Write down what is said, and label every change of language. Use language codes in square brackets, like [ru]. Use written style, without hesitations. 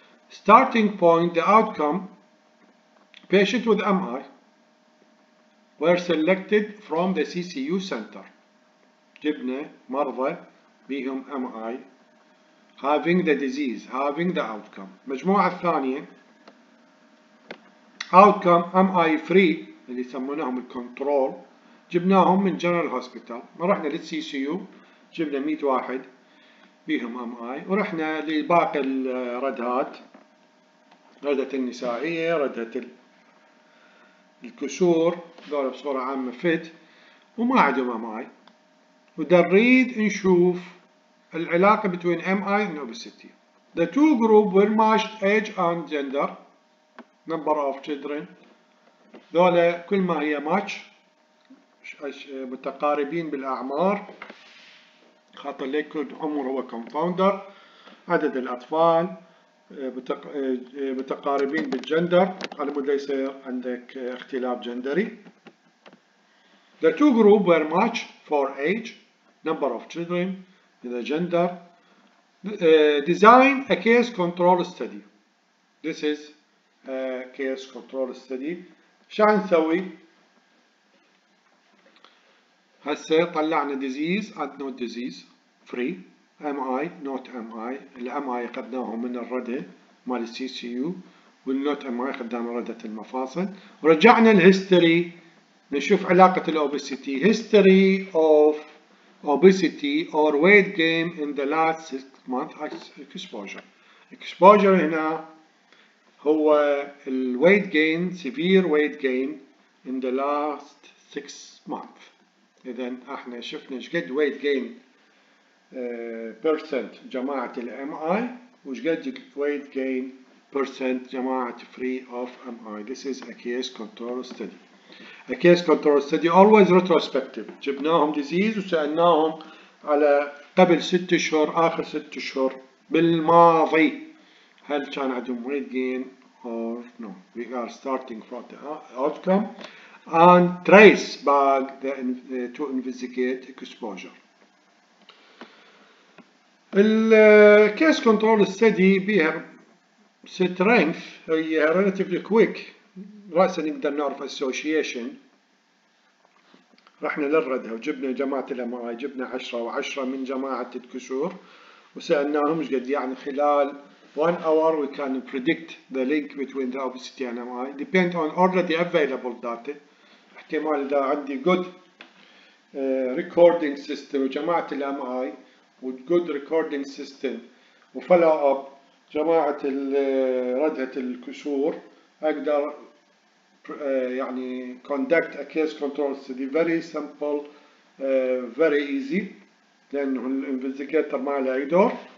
[en] Starting point, the outcome, patients with MI were selected from the CCU center. [ar] جبنا مرضى بهم [en] MI having the disease, having the outcome. [ar] مجموعة ثانية [en] Outcome MI free [ar] اللي يسمونهم الكنترول جبناهم من جنرال هوسبيتال ما رحنا للسي سي يو جبنا 100 واحد بيهم MI ورحنا لباقي الردهات ردة النسائية ردة الكسور دول بصورة عامة فيت وما عندهم MI ودريد نشوف العلاقة بين MI [en] and obesity The two group were matched age and gender Number of children. [ar] ذولا كل ما هي ماتش متقاربين بالأعمار خاطر ليكود عمر هو كونفاوندر عدد الأطفال متقاربين بالجندر، على مود لا يصير عندك اختلاف جندري. [en] The two groups were matched for age, number of children, the gender. Design a case control study. This is a case control study. [ar] شو نسوي؟ هسه طلعنا [en] disease and no disease free. MI not MI. [ar] الMI اخذناه من الردة مال CCU والnot MI اخذناه من ردة المفاصل. رجعنا الهيستوري نشوف علاقة الأوبيسيتي. [en] History of obesity or weight gain in the last 6 months exposure. Exposure [ar] هنا هو ال [en] weight gain, severe weight gain in the last 6 months. [ar] إذا احنا شفنا شقد [en] weight gain percent [ar] جماعة ال MI وشقد weight gain percent جماعة [en] free of MI. This is a case control study. A case control study always retrospective. [ar] جبناهم disease وسألناهم على قبل 6 شهور آخر 6 شهور بالماضي هل كان عندهم [en] weight gain or no. We are starting from the outcome and trace back the, to investigate exposure. ال case control study بها strength هي relatively quick. [ar] رأسا نقدر نعرف association. رحنا للردة وجبنا جماعة الامراي جبنا 10 و10 من جماعة الكسور وسألناهم ايش قد يعني خلال [en] 1 hour we can predict the link between the obesity and MI depend on already available data. [ar] احتمال دا عندي [en] good recording system [ar] وجماعة الامراي وgood recording system وفولو اب جماعة ردة الكسور اقدر يعني [en] conduct a case control study very simple very easy [ar] لأنه الانفستيجيتر ما له أي دور.